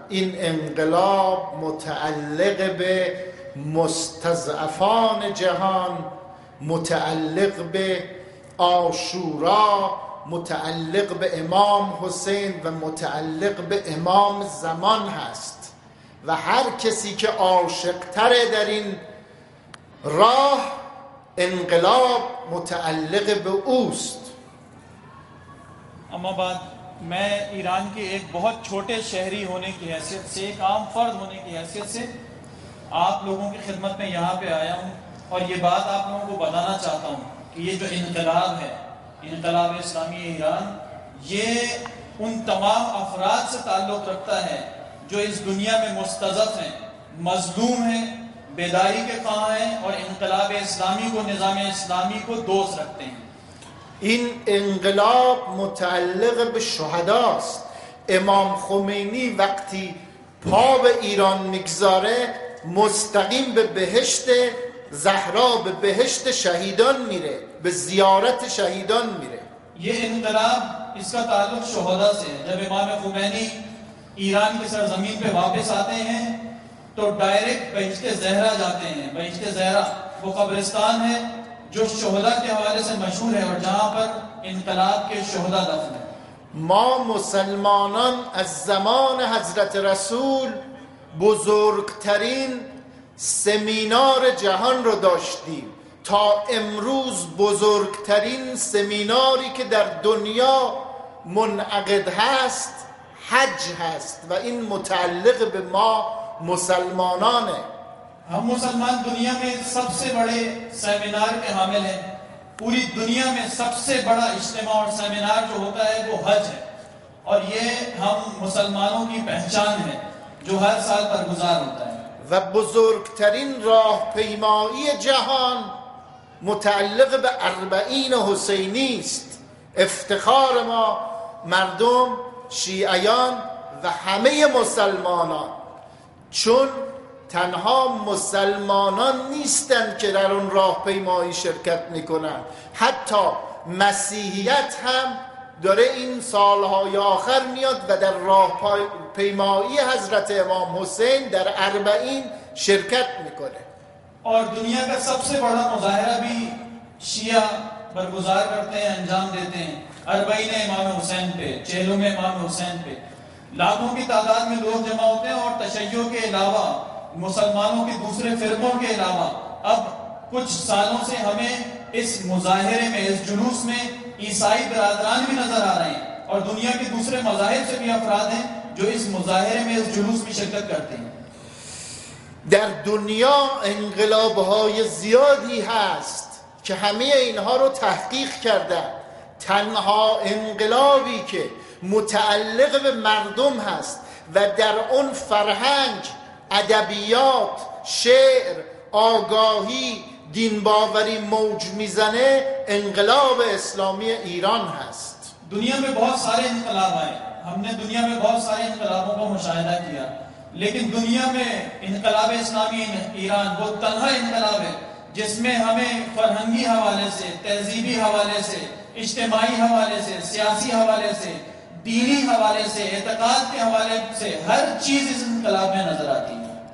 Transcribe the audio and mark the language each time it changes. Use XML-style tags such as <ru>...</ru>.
<fa>این انقلاب متعلق به مستضعفان جهان، متعلق به عاشورا، متعلق به امام حسین و متعلق به امام زمان هست و هر کسی که عاشق‌تر در این راه انقلاب متعلق به اوست.</fa> <ur>اما بعد، میں ایران کے ایک بہت چھوٹے شہری ہونے کی حیثیت سے، ایک عام فرد ہونے کی حیثیت سے آپ لوگوں کی خدمت میں یہاں پہ آیا ہوں اور یہ بات آپ لوگوں کو بتانا چاہتا ہوں کہ یہ جو انقلاب ہے، انقلاب اسلامی ایران، یہ ان تمام افراد سے تعلق رکھتا ہے جو اس دنیا میں مستضعف ہیں، مظلوم ہیں، بیداری کے خواہاں ہیں اور انقلاب اسلامی کو، نظام اسلامی کو دوست رکھتے ہیں.</ur> <fa>این انقلاب متعلق به شهداست. امام خمینی وقتی پا به ایران میگذاره مستقیم به بهشت زهرا، به بهشت شهیدان میره، به زیارت شهیدان میره.</fa> <ur>یه انقلاب اس کا تعلق شهدا سے ہے. جب امام خمینی ایران کی سرزمین پہ واپس آتے ہیں تو ڈائریکٹ بهشت زهرا جاتے ہیں. بهشت زهرا وہ قبرستان ہے جو شہدہ کے حوالے سے مشہور ہے اور جہاں پر انقلاب کے شہدہ دفن ہیں.</ur> <fa>ما مسلمانان از زمان حضرت رسول بزرگترین سمینار جهان رو داشتیم، تا امروز بزرگترین سمیناری که در دنیا منعقد هست حج هست و این متعلق به ما مسلمانانه.</fa> <ur>ہم مسلمان دنیا میں سب سے بڑے سیمینار کے حامل ہیں. پوری دنیا میں سب سے بڑا اجتماع اور سیمینار جو ہوتا ہے وہ حج ہے، اور یہ ہم مسلمانوں کی پہچان ہے جو ہر سال برگزار ہوتا ہے.</ur> <fa>و بزرگترین راہ پیمائی جہان متعلق به 40 حسینی است. افتخار ما مردم، شیعیان و همه مسلمانان، چون تنها مسلمانان نیستند که در اون راه پیمایی شرکت میکنند، حتی مسیحیت هم داره این سالهای آخر میاد و در راه پیمایی حضرت امام حسین در 40 شرکت میکنه.</fa> <ur>اور دنیا کا سب سے بڑا مظاہرہ بھی شیعہ برگزار کرتے ہیں، انجام دیتے ہیں، اربعین امام حسین پہ، چہلوں میں امام حسین پہ لاکھوں کی تعداد میں لوگ جمع ہوتے ہیں، اور تشیعوں کے علاوہ، مسلمانوں کے دوسرے فرقوں کے علاوہ، اب کچھ سالوں سے ہمیں اس مظاہرے میں، اس جلوس میں عیسائی برادران بھی نظر آ رہے ہیں، اور دنیا کے دوسرے مذاہب سے بھی افراد ہیں جو اس مظاہرے میں، اس جلوس میں شرکت کرتے ہیں.</ur> <fa>در دنیا انقلاب های زیادی هست که همه اینها رو تحقیق کرده. تنها انقلابی که متعلق به مردم هست و در اون فرهنگ، ادبیات، شعر، آگاهی، دینباوری موج میزنه، انقلاب اسلامی ایران هست.</fa> <ur>دنیا میں بہت سارے انقلاب آئے، ہم نے دنیا میں بہت سارے انقلابوں کو مشاہدہ کیا، لیکن دنیا میں انقلاب اسلامی ایران وہ تنہا انقلاب ہے جس میں ہمیں فرہنگی حوالے سے، تہذیبی حوالے سے، اجتماعی حوالے سے، سیاسی حوالے سے، دینی حوالے سے، اعتقاد کے حوالے سے، ہر چیز اس انقلاب میں نظر آتی ہے.</ur>